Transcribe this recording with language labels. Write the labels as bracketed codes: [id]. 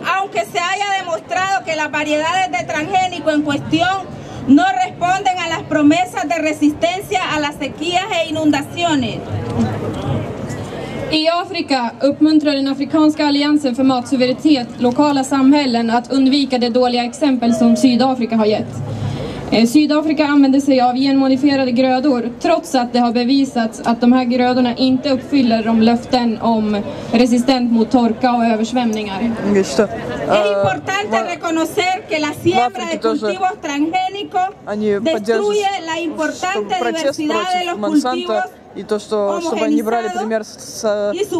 [es] que se haya demostrado que las variedades de transgénico en cuestión no responden a las promesas de resistencia a las sequías e inundaciones. [sv] I Afrika uppmuntrar den afrikanska alliansen för matsuveränitet lokala samhällen att undvika det dåliga exempel som Sydafrika har gett. Sydafrika använder sig av genmodifierade grödor trots att det har bevisats att de här grödorna inte uppfyller de löften om resistent mot torka och översvämningar. Det är viktigt att erkänna att [es] la siembra de cultivos transgénicos destruye la importante diversidad de los cultivos. [ru] И то, что, чтобы они брали пример с,